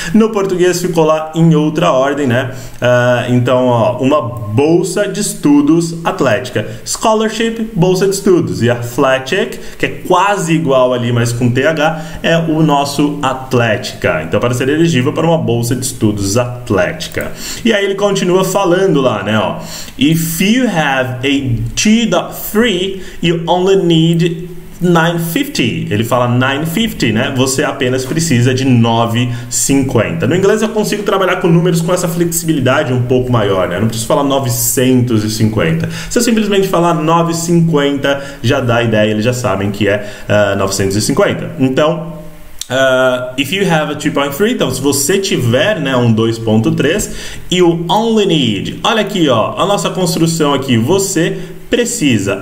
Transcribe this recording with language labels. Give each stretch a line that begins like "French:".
Portuguese: No português ficou lá em outra ordem, né? Então, ó, uma bolsa de estudos atlética. Scholarship, bolsa de estudos, e athletic, que é quase igual ali, mas com TH, é o nosso Atlética. Então, para ser elegível para uma bolsa de estudos Atlética. E aí ele continua falando lá, né?
English: Ó, if you have a 2.3, you only need 950.
Portuguese: Ele fala 950, né? Você apenas precisa de 950. No inglês eu consigo trabalhar com números com essa flexibilidade um pouco maior, né? Eu não preciso falar 950. Se eu simplesmente falar 950, já dá a ideia, eles já sabem que é 950. Então,
English: if you have a 2.3,
Portuguese: então se você tiver, né, um 2.3, e o
English: only need,
Portuguese: olha aqui, ó, a nossa construção aqui, você precisa.